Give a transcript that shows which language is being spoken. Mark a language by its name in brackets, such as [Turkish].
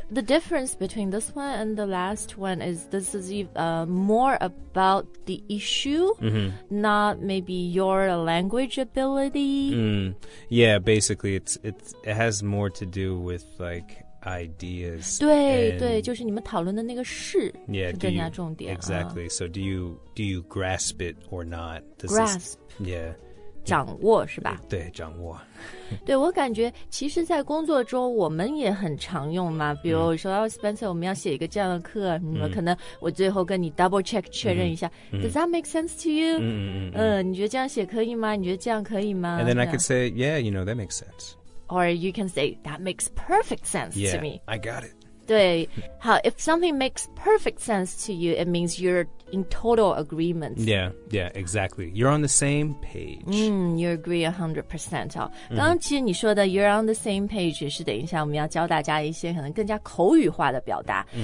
[English] The difference between this one and the last one is this is more about the issue,、not maybe your language ability.、 Yeah, basically it has more to do with like,ideas [Chinese] 对对就是你们讨论的那个事 [English] yeah, [Chinese] 是更加重点 [English] exactly、so do you grasp it or not、 this、grasp is, yeah [Chinese] 掌握是吧对掌握对我感觉其实在工作中我们也很常用嘛比如说、Spencer 我们要写一个这样的课什么、可能我最后跟你 double check 确认一下、 [English] Does that make sense to you? [Chinese] 你觉得这样写可以吗你觉得这样可以吗 [English] And then I could say yeah you know that makes sense Or you can say, that makes perfect sense yeah, to me. Yeah, I got it. 对，好 if something makes perfect sense to you, it means you're in total agreement. Yeah, yeah, exactly. You're on the same page. You agree 100%. [Chinese] 刚刚其实你说的 [English] you're on the same page [Chinese] 是等一下我们要教大家一些可能更加口语化的表达。